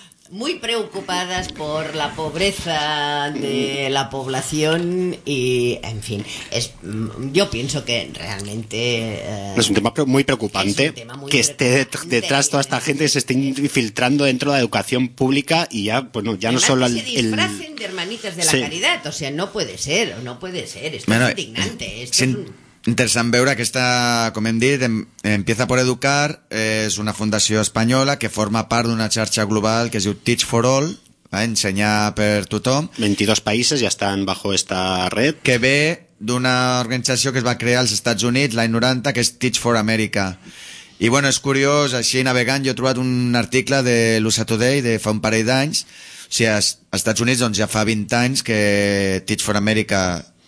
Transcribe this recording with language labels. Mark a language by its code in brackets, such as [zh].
[es] Muy preocupadas por la pobreza de la población y, en fin, yo pienso que realmente... Es un tema muy preocupante que esté detrás toda esta gente que se esté infiltrando dentro de la educación pública y ya, bueno, ya no solo... Se disfracen de hermanitas de la caridad, o sea, no puede ser, esto es indignante, [ca] Interesant veure aquesta, com hem dit, Empieza por Educar, és una fundació espanyola que forma part d'una xarxa global que es diu Teach for All, ensenyar per tothom. 22 països ja estan [es] bajo esta red. [ca] Que ve d'una organització que es va crear als Estats Units l'any 90, que és Teach for America. I bueno, és curiós, així navegant, jo he trobat un article de l'USA Today de fa un parell d'anys, o sigui, als Estats Units doncs, ja fa 20 anys que Teach for America...